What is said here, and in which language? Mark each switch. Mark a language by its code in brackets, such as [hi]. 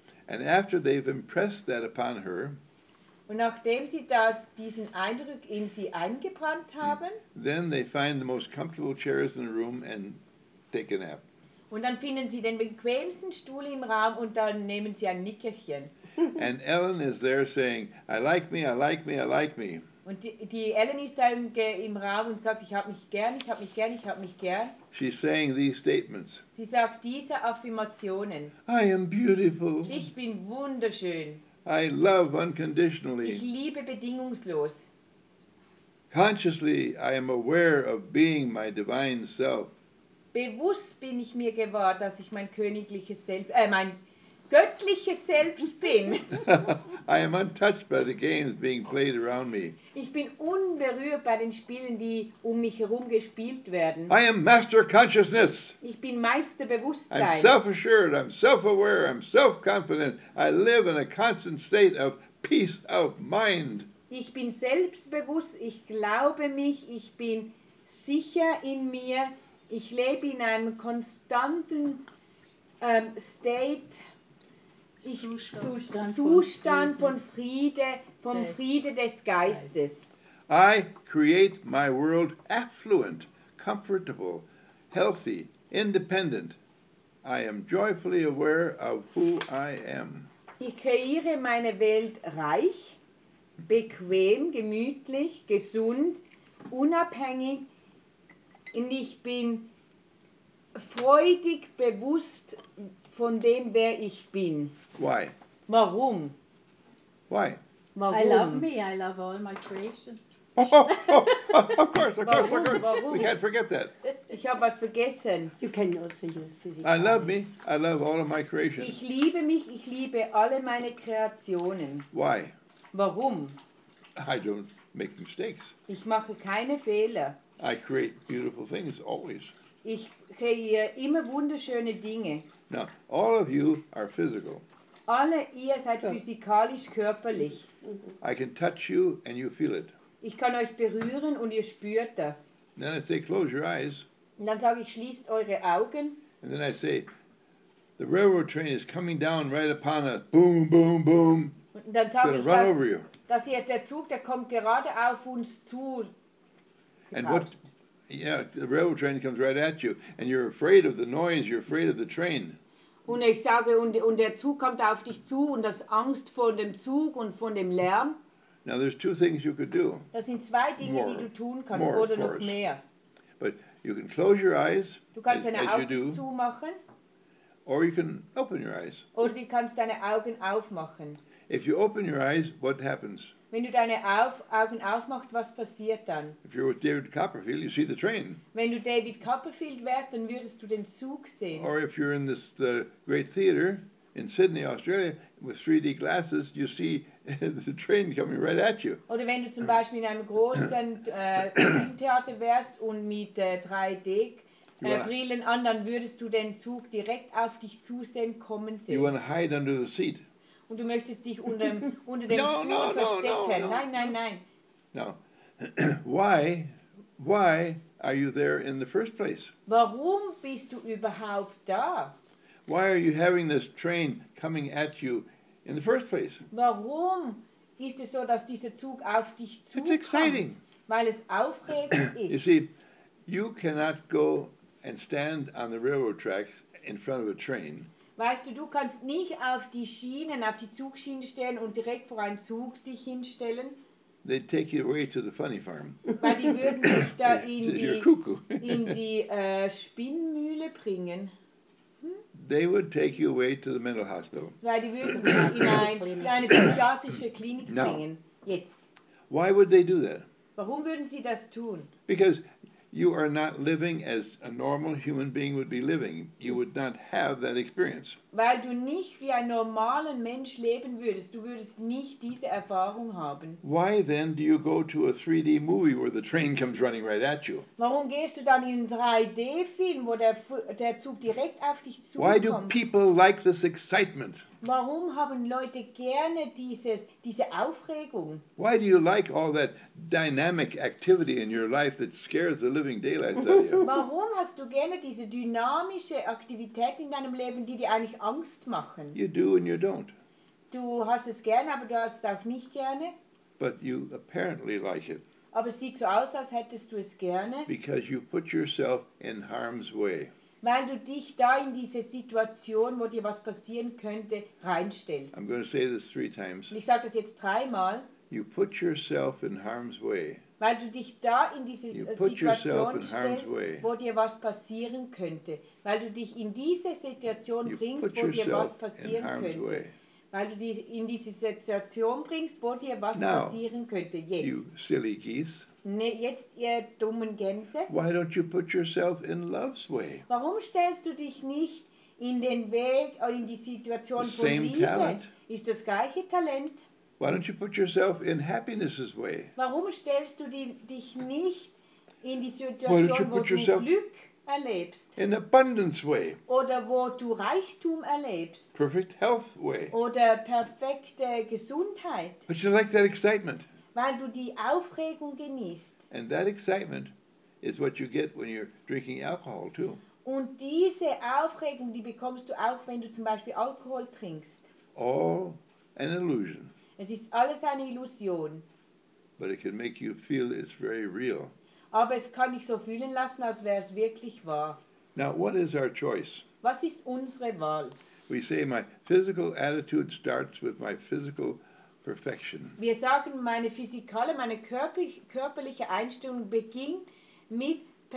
[en] And after they've impressed that upon her, [de] und nachdem sie das, diesen Eindruck in sie eingebrannt haben, [en] then they find the most comfortable chairs in the room and take a nap. [de] Und dann finden sie den bequemsten Stuhl im Raum und dann nehmen sie ein Nickerchen. [en] And Ellen is there saying, I like me, I like me, I like me. [de] Und die Ellen ist da im Raum und sagt, ich hab mich gern, ich hab mich gern, ich hab mich gern. [en] She's saying these statements. [de] Sie sagt diese Affirmationen. [en] I am beautiful. [de] Ich bin wunderschön. [en] I love unconditionally. [de] Ich liebe bedingungslos. [en] Consciously, I am aware of being my divine self. [de] Bewusst bin ich mir gewahr, dass ich mein königliches Selbst, mein göttliches Selbst bin. [en] I am untouched by the games being played around me. [de] Ich bin unberührt bei den Spielen, die mich herum gespielt werden. [en] I am master consciousness. [de] Ich bin Meisterbewusstsein. [en] I'm self-assured, I'm self-aware, I'm self-confident. I live in a constant state of peace of mind. [de] Ich bin selbstbewusst, ich glaube mich, ich bin sicher in mir. Ich lebe in einem konstanten State. Zustand Zustand von Friede, vom Geist. Friede des Geistes. [en] I create my world affluent, comfortable, healthy, independent. I am joyfully aware of who I am. [de] Ich kreiere meine Welt reich, bequem, gemütlich, gesund, unabhängig. Und ich bin freudig bewusst von dem, wer ich bin. [en] Why? [de] Warum? [en] Why? [de] Warum? [en] I love me. I love all my creation. Oh, of course, of course, [de] warum, [en] of course. [de] Warum? [en] We can't forget that. [de] Ich habe was vergessen. [en] You can also use physics. I love me. I love all of my creations. [de] Ich liebe mich. Ich liebe alle meine Kreationen. [en] Why? [de] Warum? [en] I don't make mistakes. [de] Ich mache keine Fehler. [en] I create beautiful things always. [de] Ich kreiere immer wunderschöne Dinge. [en] Now, all of you are physical. [de] Alle ihr seid physikalisch körperlich. [en] I can touch you and you feel it. [de] Ich kann euch berühren und ihr spürt das. [en] Then I say, close your eyes. [de] Und dann sage ich, schließt eure Augen. [en] And then I say, the railroad train is coming down right upon us. Boom, boom, boom. [de] Und dann sage ich, [en] run over you. [de] Das hier, der Zug, der kommt gerade auf uns zu. [en] And what? Yeah, the railroad train comes right at you, and you're afraid of the noise. You're afraid of the train. [de] Und ich sage, und der Zug kommt auf dich zu, und das Angst vor dem Zug und von dem Lärm. [en] Now there's two things you could do. [de] Das sind zwei Dinge, [en] more, [de] die du tun kannst, more, oder noch mehr. [en] But you can close your eyes. [de] Du kannst [en] as, [de] deine [en] as [de] Augen [en] you do, [de] zumachen. [en] Or you can open your eyes. [de] Oder du kannst deine Augen aufmachen. [en] If you open your eyes, what happens? [de] Wenn du deine Augen aufmachst, was passiert dann? [en] If you're with David Copperfield, you see the train. [de] Wenn du David Copperfield wärst, dann würdest du den Zug sehen. [en] Or if you're in this great theater in Sydney, Australia, with 3D glasses, you see the train coming right at you. [de] Oder wenn du zum Beispiel in einem großen Filmtheater wärst und mit 3D Brillen an, dann würdest du den Zug direkt auf dich zusehen kommen sehen. [en] You want to hide under the seat. [de] Und du möchtest dich unter dem Stuhl verstecken. [en] No. Why are you there in the first place? [de] Warum bist du überhaupt da? [en] Why are you having this train coming at you in the first place? [de] Warum ist es so, dass dieser Zug auf dich zukommt? [en] It's exciting. [de] Weil es aufregend ist. [en] You see, you cannot go and stand on the railroad tracks in front of a train. [de] Weißt du, du kannst nicht auf die Schienen, auf die Zugschienen stellen und direkt vor einen Zug dich hinstellen. [en] They take you away to the funny farm. [de] Weil die würden dich da in die Spinnmühle bringen. [en] They would take you away to the mental hospital. [de] Weil die würden dich in eine psychiatrische Klinik bringen. Jetzt. [en] Why would they do that? [de] Warum würden sie das tun? [en] Because you are not living as a normal human being would be living. You would not have that experience. [de] Weil du nicht wie ein normaler Mensch leben würdest, du würdest nicht diese Erfahrung haben. [en] Why then do you go to a 3D movie where the train comes running right at you? [de] Warum gehst du dann in einen 3D-Film, wo der Zug direkt auf dich zukommt? [en] Why do people like this excitement? [de] Warum haben Leute gerne diese Aufregung? [en] Why do you like all that dynamic activity in your life that scares the living daylights out of you? [de] Warum hast du gerne diese dynamische Aktivität in deinem Leben, die dir eigentlich Angst machen? [en] You do and you don't. [de] Du hast es gerne, aber du hast es auch nicht gerne. [en] But you apparently like it. [de] Aber es sieht so aus, als hättest du es gerne. [en] Because you put yourself in harm's way. [de] Weil du dich da in diese Situation, wo dir was passieren könnte, reinstellst. [en] I'm going to say this three times. [de] Ich sage das jetzt dreimal. [en] You put yourself in harm's way. [de] Weil du dich da in diese Situation stellst, wo dir was passieren könnte. Weil du dich in diese Situation bringst, wo dir was passieren könnte. Weil du dich in diese Situation bringst, wo dir was passieren könnte. Jetzt. [en] You silly geese. [de] Jetzt, ihr dummen Gänse. [en] Why don't you put yourself in love's way? [de] Warum stellst du dich nicht in den Weg oder in die Situation von Liebe? Talent. Ist das gleiche Talent? [en] Why don't you put yourself in happiness's way? [de] Warum stellst du dich nicht in die Situation, wo du Glück erlebst? [en] In abundance way. [de] Oder wo du Reichtum erlebst? [en] Perfect health way. [de] Oder perfekte Gesundheit? [en] But you like that excitement. [de] Weil du die Aufregung genießt. [en] And that excitement is what you get when you're drinking alcohol too. [de] Und diese Aufregung, die bekommst du auch, wenn du zum Beispiel Alkohol trinkst. [en] All an illusion. [de] Es ist alles eine Illusion. [en] But it can make you feel it's very real. [de] Aber es kann dich so fühlen lassen, als wäre es wirklich wahr. [en] Now, what is our choice? [de] Was ist unsere Wahl? [en] We say my physical attitude starts with my physical perfection. [de] Wir sagen, meine körperliche Einstellung beginnt mit